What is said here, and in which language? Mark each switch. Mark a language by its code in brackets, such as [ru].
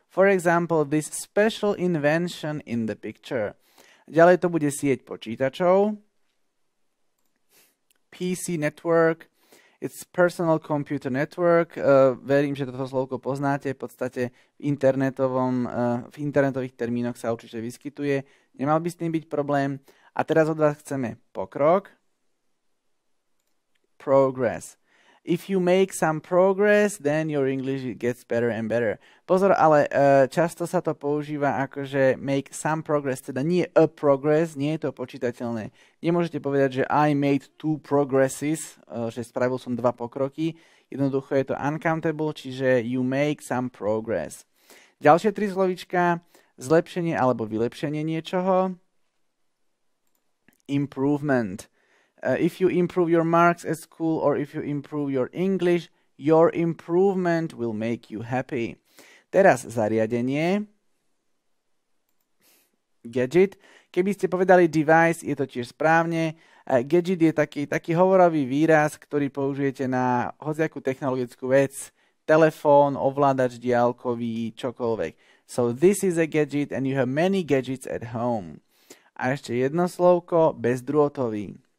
[en] For example, this special invention in the picture. [sk] Ďalej to bude sieť počítačov. [en] PC network. It's personal computer network. [sk] Verím, že toto slovko poznáte. V podstate v internetových termínoch sa určite vyskytuje. Nemal by s tým byť problém. A teraz od vás chceme pokrok. [en] Progress. If you make some progress, then your English gets better and better. [sk] Pozor, ale často sa to používa ako, že [en] make some progress, [sk] teda nie [en] a progress, [sk] nie je to počítateľné. Nemôžete povedať, že [en] I made two progresses, [sk] že spravil som dva pokroky. Jednoducho je to uncountable, čiže [en] you make some progress. [sk] Ďalšie tri slovička, zlepšenie alebo vylepšenie niečoho. [en] Improvement. If you improve your marks at school or if you improve your English, your improvement will make you happy. [sk] Teraz zariadenie. [en] Gadget. [sk] Keby ste povedali device, je to tiež správne. Gadget je taký hovorový výraz, ktorý použijete na hociakú technologickú vec. Telefón, ovládač diaľkový, čokoľvek. [en] So this is a gadget and you have many gadgets at home. [sk] A ešte jedno slovko, bezdrôtový.